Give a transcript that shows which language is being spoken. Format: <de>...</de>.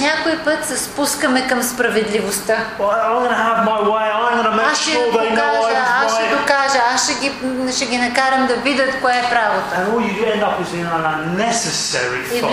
<bg>Някой път се спускаме към справедливостта.</bg> <en>I'm gonna have my way. I'm gonna make sure they know I'm right.</en> <bg>Аз ще докажа, аз ще ще ги накарам да видят кое е правото.</bg> <en>And all you end up is in an unnecessary fight.</en>